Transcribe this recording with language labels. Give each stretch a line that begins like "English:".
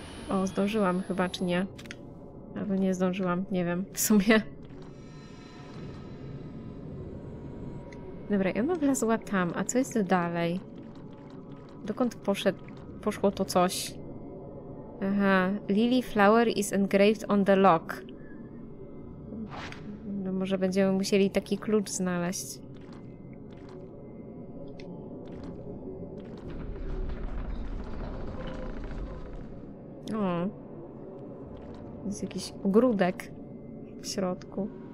Polish: O, zdążyłam chyba, czy nie? Albo nie zdążyłam, nie wiem, w sumie. Dobra, i ona wlazła tam, a co jest dalej? Dokąd poszło to coś?
English: Aha, Lily Flower is engraved on the lock.
Polish: No może będziemy musieli taki klucz znaleźć. O. To jest jakiś ogródek. w środku.